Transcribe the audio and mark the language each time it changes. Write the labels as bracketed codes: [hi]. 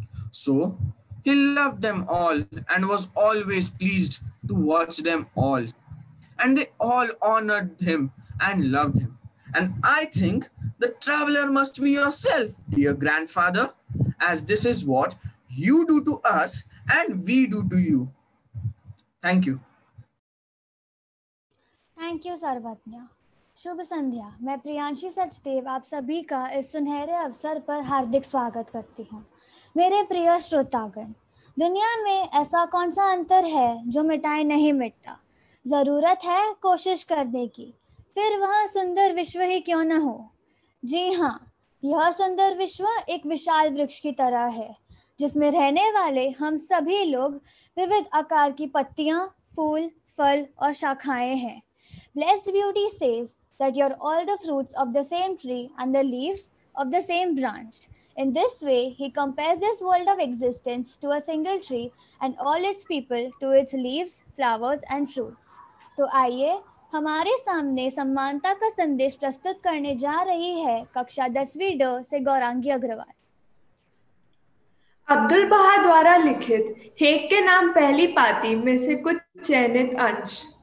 [en] So he loved them all and was always pleased to watch them all. And they all honored him and loved him. And I think the traveler must be yourself, dear grandfather, as this is what you do to us and we do to you. Thank you. Thank you, Sarvatnya. [hi] Shubh Sandhya, मैं प्रियांशी सचदेव आप सभी का इस सुनहरे अवसर पर हार्दिक स्वागत करती हूँ. मेरे प्रिय श्रोतागण, दुनिया में ऐसा कौन सा अंतर है जो मिटाए नहीं मिटता? जरूरत है कोशिश करने की, फिर वह सुंदर विश्व ही क्यों न हो. जी हाँ, यह सुंदर विश्व एक विशाल वृक्ष की तरह है जिसमें रहने वाले हम सभी लोग विविध आकार की पत्तियाँ, फूल, फल और शाखाएं हैं. [en] Blessed beauty says that you're all the fruits of the same tree and the leaves of the same branch. In this way, he compares this world of existence to a single tree and all its people to its leaves, flowers and fruits. [hi] तो आइए, हमारे सामने समानता का संदेश प्रस्तुत करने जा रही है कक्षा 10वीं ड से गौरांगी अग्रवाल. अब्दुल बहा द्वारा लिखित हेग के नाम पहली पाती में से कुछ चयनित अंश.